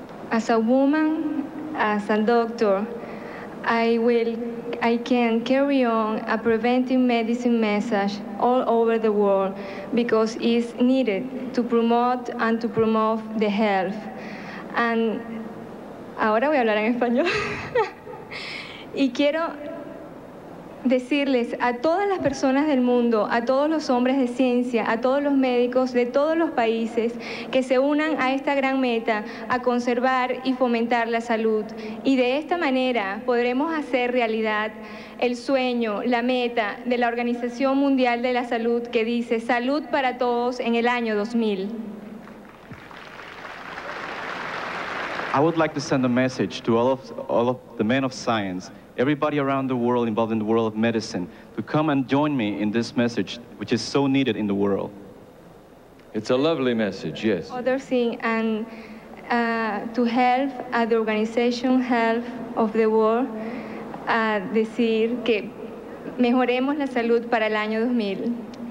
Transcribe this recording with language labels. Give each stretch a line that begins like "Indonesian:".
English: As a woman, as a doctor, I can carry on a preventive medicine message all over the world because it's needed to promote the health.
Spanish: And ahora voy a hablar en español. Y quiero decirles a todas las personas del mundo, a todos los hombres de ciencia, a todos los médicos de todos los países que se unan a esta gran meta, a conservar y fomentar la salud. Y de esta manera podremos hacer realidad el sueño, la meta de la Organización Mundial de la Salud que dice salud para todos en el año 2000.
English: I would like to send a message to all of the men of science, everybody around the world involved in the world of medicine, to come and join me in this message, which is so needed in the world. It's a lovely message, yes. Other thing, and to help the organization, health of the world,
Spanish: decir que mejoremos la salud para el año 2000.